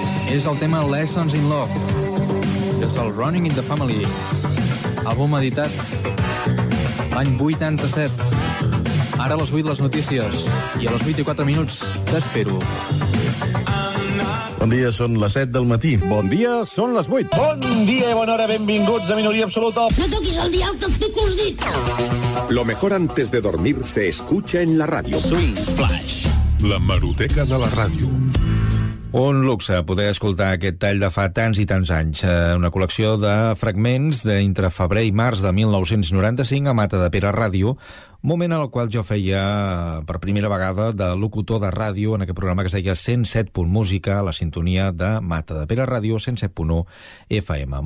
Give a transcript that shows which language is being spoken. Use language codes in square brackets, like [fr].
[ca] És el tema Lessons in Love, des del Running in the Family, àlbum editat l'any 87. Ara a les 8 les notícies i a les 24 minuts t'espero. Bon dia, són les 7 del matí. Bon dia, són les 8. Bon dia i bona hora, benvinguts a Minoria Absoluta. No toquis el dial, que et toco els dits. [es] Lo mejor antes de dormir se escucha en la ràdio. [ca] Swing Flash. La Maroteca de la Ràdio. Un luxe poder escoltar aquest tall de fa tants i tants anys. Una col·lecció de fragments d'entre febrer i març de 1995 a Mata de Pere Ràdio, moment en el qual jo feia per primera vegada de locutor de ràdio en aquest programa que es deia 107 punt música, la sintonia de Mata de Pere Ràdio 107.1 FM.